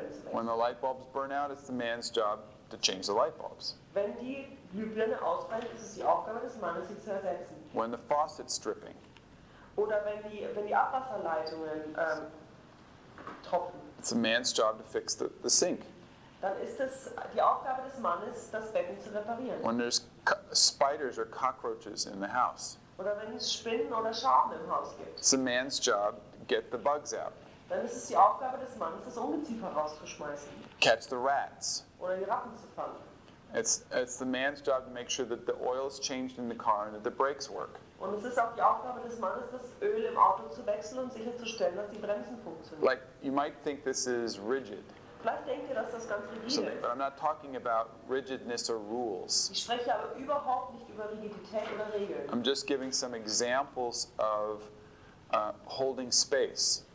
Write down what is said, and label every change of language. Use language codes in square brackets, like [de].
[en] when the light bulbs burn out, it's the man's job to change the light bulbs. [de] Wenn die Glühbirne ausfällt, ist es die Aufgabe des Mannes, sie zu ersetzen. [en] When the faucet's dripping. [de] Oder wenn die Abwasserleitungen tropfen. [en] It's the man's job to fix the sink. [de] Dann ist es die Aufgabe des Mannes, das Becken zu reparieren. [en] When there's spiders or cockroaches in the house. [de] Oder wenn es Spinnen oder Schaben im Haus gibt. [en] It's the man's job to get the bugs out. [de] Dann ist es die Aufgabe des Mannes, das Ungeziefer rauszuschmeißen. [en] Catch the rats. [de] Oder die Ratten zu fangen. [en] It's the man's job to make sure that the oil is changed in the car and that the brakes work. [de] Und es ist auch die Aufgabe des Mannes, das Öl im Auto zu wechseln und sicherzustellen, dass die Bremsen funktionieren. [en] Like, you might think this is rigid. [de] Vielleicht denkt ihr, dass das ganz rigid ist. [en] But I'm not talking about rigidness or rules. [de] Ich spreche aber überhaupt nicht über Rigidität oder Regeln. [en] I'm just giving some examples of holding space.